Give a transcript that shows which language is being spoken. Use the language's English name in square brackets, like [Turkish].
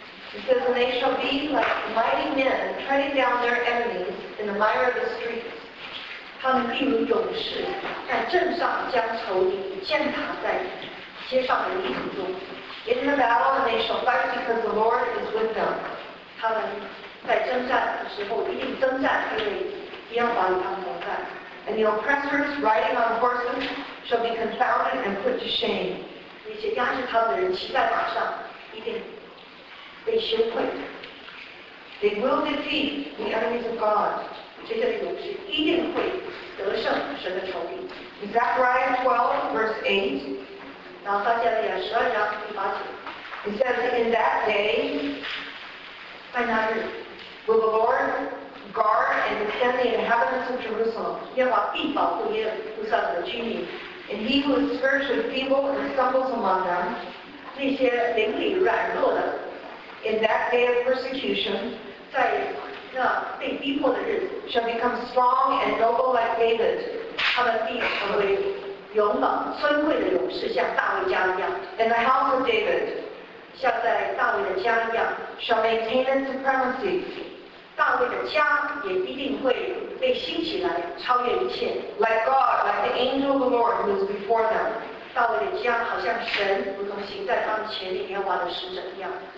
[English] It says, "And they shall be like mighty men, treading down their enemies in the mire of the streets." [Chinese] 他们必如勇士，在镇上将仇敌践踏在街上的泥土中。 [English] In the battle, and they shall fight because the Lord is with them. [Chinese] 他们在征战的时候一定征战，因为耶和华与他们同在。 [English] And the oppressors riding on horses shall be confounded and put to shame. [Chinese] 那些压制他们的人骑在马上一定被羞愧。 [English] They will defeat the enemies of God. [Chinese] 这些勇士一定会得胜神的仇敌。 [English] Zechariah 12 verse 8. [Chinese] 然后撒迦利亚十二章第八节。 [English] It says, "In that day." Will the Lord guard and defend the inhabitants of Jerusalem? [Chinese] 耶和华必保护耶路撒冷的居民。 [English] And he who is spiritually feeble and stumbles among them, [Chinese] 那些灵里软弱的 [English] ，in that day of persecution, [Chinese] 在那被逼迫的日子 [English] ，shall become strong and noble like David. [Chinese] 他们必成为勇猛尊贵的勇士，像大卫家一样。 [English] And the house of David. [Chinese] 像在大卫的家一样 [English] ，shall maintain its supremacy. [Chinese] 大卫的家也一定会被兴起来，超越一切。 [English] Like God, like the angel of the Lord who is before them. [Chinese] 大卫的家好像神，如同行在他们前面耶和华的使者一样。